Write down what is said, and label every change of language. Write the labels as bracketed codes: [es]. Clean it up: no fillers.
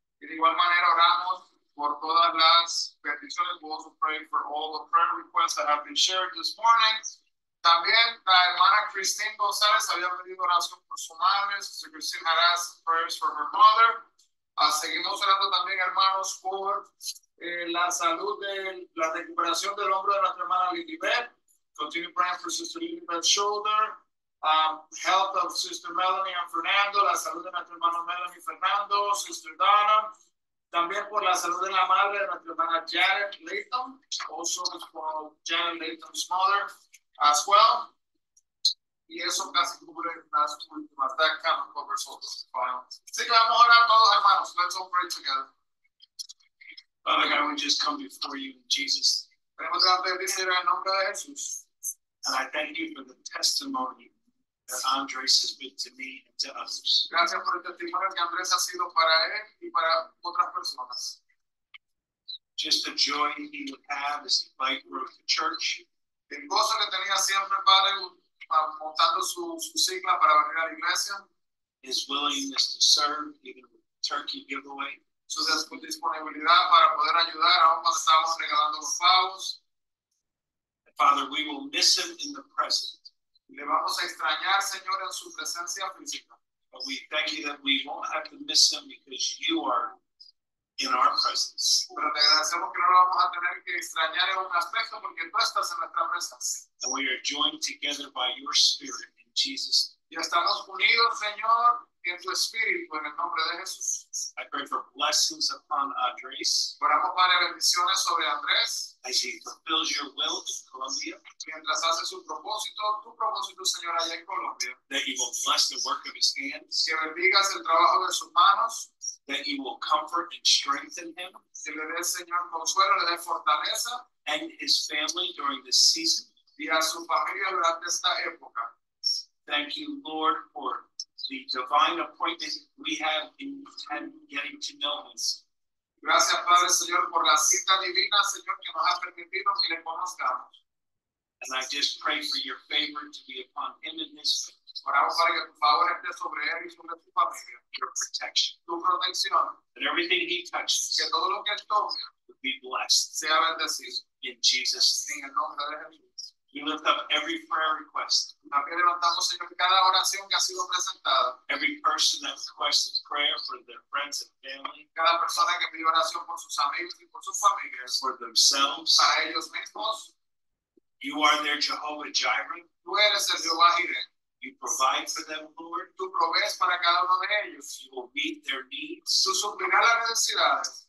[es] Y de igual manera, oramos por todas las peticiones. [en] We'll also pray for all the prayer requests that have been shared this morning. [es] También, la hermana Christine González había pedido oración por su madre. So, si Christine harás [en] prayers for her mother. [es] Seguimos orando también, hermanos, por la salud de la recuperación del hombro de nuestra hermana Lilibet. [en] Continue praying for Sister Lilibet's shoulder. Health of Sister Melanie and Fernando. [es] La salud de nuestro hermano Melanie y Fernando. Sister Donna. También por la salud de la madre de nuestra hermana Janet Layton. [en] Also for Janet Layton's mother as well. [es] Y eso casi cubre las últimas. [en] That kind of covers all the final. [es] Así que vamos a orar todos, hermanos. [en] Let's all pray together. Father God, we just come before you in Jesus. [es] Venimos a pedirte en el nombre de Jesús. [en] And I thank you for the testimony that Andres has been to me and to others. [es] Gracias por el testimonio que Andres ha sido para él y para otras personas. [en] Just the joy he would have as he bike rode to church. [es] El gozo que tenía siempre, Padre, montando su cicla para venir a la iglesia. [en] His willingness to serve, even with turkey giveaway. [es] Su disponibilidad para poder ayudar, aun cuando estábamos regalando los pavos. [en] Father, we will miss him in the present. [es] Le vamos a extrañar, Señor, en su presencia física. [en] But we thank you that we won't have to miss him because you are in our presence. [es] Pero te agradecemos que no lo vamos a tener que extrañar en un aspecto porque tú estás en nuestras mesas. [en] And we are joined together by your spirit in Jesus. [es] Y estamos unidos, Señor, en tu espíritu, en el nombre de Jesús. [en] I pray for blessings upon Andres. [es] Oramos para bendiciones sobre Andres. [en] As he fulfills your will in Colombia. [es] Mientras hace su propósito, tu propósito, Señor, allá en Colombia. [en] That he will bless the work of his hands. [es] Que bendigas el trabajo de sus manos. [en] That he will comfort and strengthen him. [es] Que le dé, Señor, consuelo, le dé fortaleza. [en] And his family during this season. [es] Y a su familia durante esta época. [en] Thank you, Lord, for the divine appointment we have in getting to know him. [es] Gracias, Padre, Señor, por la cita divina, Señor, que nos ha permitido que le conozcamos. [en] And I just pray for your favor to be upon him and his family. [es] Oramos para que tu favor esté sobre él y sobre su familia. [en] Your protection. [es] Tu protección. [en] And everything he touches. [es] Que todo lo que él toque. [en] Would be blessed. [es] Sea bendecido. [en] In Jesus. [es] En el nombre de Jesús. [en] We lift up every prayer request. [es] También levantamos, Señor, cada oración que ha sido presentada. [en] Every person that requests prayer for their friends and family. [es] Cada persona que pide oración por sus amigos y por sus familias. [en] For themselves. [es] Para ellos mismos. [en] You are their Jehovah Jireh. [es] Tú eres el Jehovah Jireh. [en] You provide for them, Lord. [es] Tú provees para cada uno de ellos. [en] You will meet their needs. [es] Tú suplirás las necesidades.